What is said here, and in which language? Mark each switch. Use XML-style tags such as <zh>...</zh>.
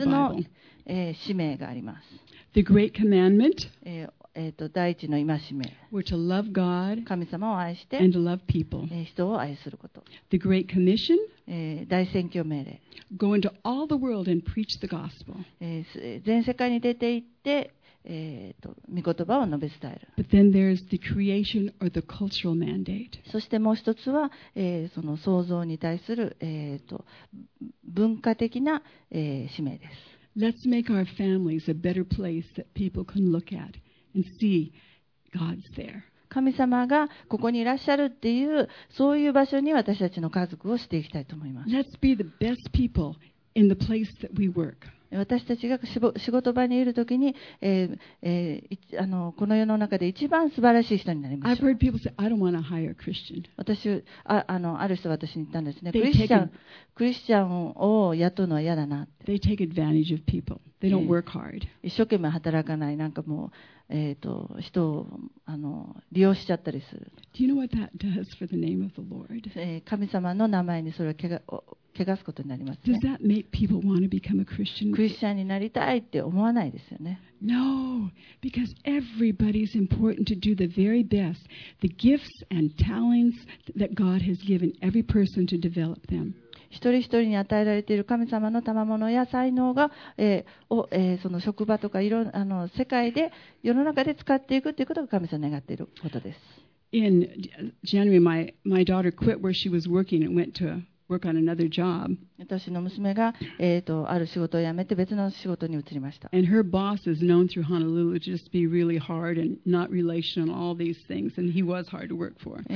<ja>つの、使命があります。</ja> <en>The great commandment.</en> <ja>第一の戒め。</ja> <en>We're to love God.</en> <ja>神様を愛して。</ja> <en>And to love people.</en> <ja>人を愛すること。</ja> <en>The great commission.</en> <ja>大宣教命令。</ja> <en>Go into all the world and preach the gospel.</en> <ja>全世界に出て行って、御言葉を述べ伝える。</ja> <en>But then there's the creation or the cultural mandate.</en> <ja>そしてもう一つは、その創造に対する、文化的な、使命です。</ja> <en>Let's make our families a better place that people can look at and see God's there.</en> <ja>神様がここにいらっしゃるっていう、そういう場所に私たちの家族をしていきたいと思います。</ja> <en>Let's be the best people in the place that we work.</en> <ja>私たちが仕事場にいるときに、この世の中で一番素晴らしい人になりましょう。</ja> <en>I've heard people say, I don't want to hire a Christian.</en> <ja>私、ある人は私に言ったんですね。クリスチャンを雇うのは嫌だなって。</ja> <en>They take advantage of people. They don't work hard.</en> <ja>一生懸命働かない、なんかもう、人を利用しちゃったりする。</ja> <en>Do you know what that does for the name of the Lord?</en> <ja>神様の名前にそれを汚すことになりますね。</ja> <en>Does that make people want to become a Christian?</en> <ja>クリスチャンになりたいって思わないですよね。</ja> <en>No, because everybody is important to do the very best, the gifts and talents that God has given every person to develop them.</en> <ja>一人一人に与えられている神様の賜物や才能が、その職場とかいろんな世界で世の中で使っていくということが神様が願っていることです。</ja> <en>In January, my daughter quit where she was working and went to work on another job.</en> <ja>私の娘が、ある仕事を辞めて別の仕事に移りました。</ja> <en>And her boss is known through Honolulu to just be really hard and not relational and all these things, and he was hard to work for.</en>